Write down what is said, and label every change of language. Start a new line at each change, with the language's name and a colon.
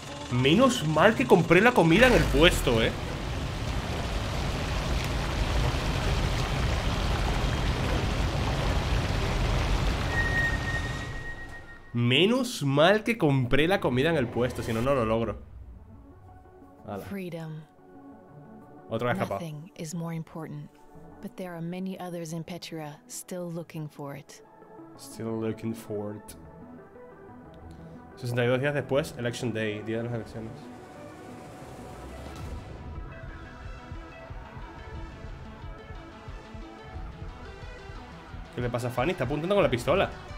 Spanish: Menos mal que compré la comida en el puesto, ¿eh? Menos mal que compré la comida en el puesto, si no, no lo logro. Hala. Freedom. Otro que ha escapado.
English: Nothing is more important, but there are many others in Petra still looking for it. Still looking for it.
Spanish: 62 días después,
English: Election Day,
Spanish: día de las elecciones. ¿Qué le pasa a Fanny? Está apuntando con la pistola.